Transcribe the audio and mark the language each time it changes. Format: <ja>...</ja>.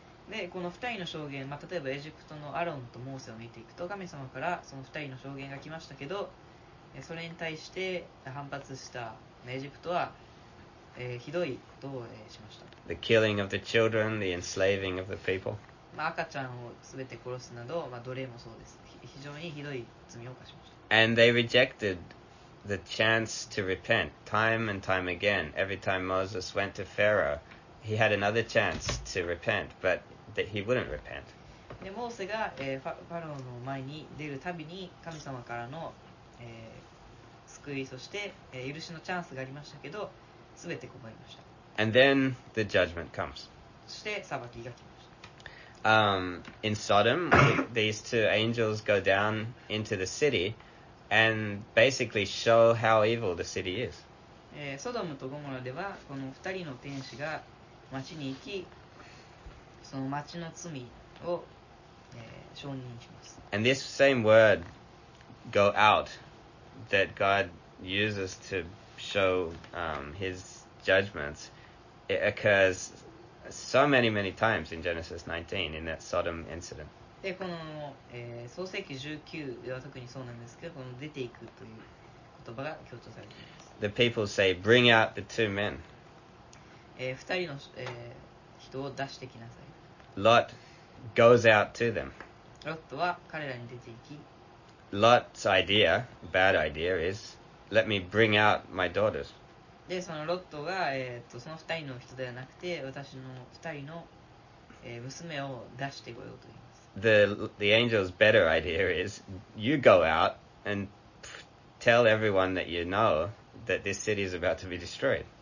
<ja>でこの2人の証言、まあ、例えばエジプトのアロンとモーセを見ていくと、神様からその2人の証言が来ましたけど、それに対して反発したエジプトは、ひどいことを、しました。</ja> <en>The killing of the children, the enslaving of the people.</en> <ja>まあ赤ちゃんをすべて殺すなど、まあ、奴隷もそうです。非常にひどい罪を犯しました。</ja> <en>And they rejected the chance to repent time and time again. Every time Moses went to Pharaoh,He had another chance to repent, but that he wouldn't repent.</en> <ja>でモーセが、ファローの前に出るたびに神様からの、救い、そして、許しのチャンスがありましたけど、すべて拒みました。</ja> <en>And then the judgment comes.</en> <ja>そして裁きが来ました。</ja> <en>In Sodom, these two angels go down into the city and basically show how evil the city is.</en> <ja>ソドムとゴモラではこの二人の天使が街に行き、その街の罪を、承認します。</ja> <en>And this same word go out that God uses to show、his judgments, it occurs so many, many times in Genesis 19 in that Sodom incident.</en> <ja>で、この、創世記19では特にそうなんですけど、この出ていくという言葉が強調されています。</ja> <en>The people say, bring out the two men.</en> <ja>二人の、人を出してきなさい。</ja> <en>Lot goes out to them.</en> <ja>ロットは彼らに出て行き。</ja> <en>Lot's idea, bad idea, is let me bring out my daughters.</en> <ja>で、そのロットが、その二人の人ではなくて、私の二人の、娘を出してこようと言います。</ja> <en>The angel's better idea is you go out and tell everyone that you know that this city is about to be destroyed.</en>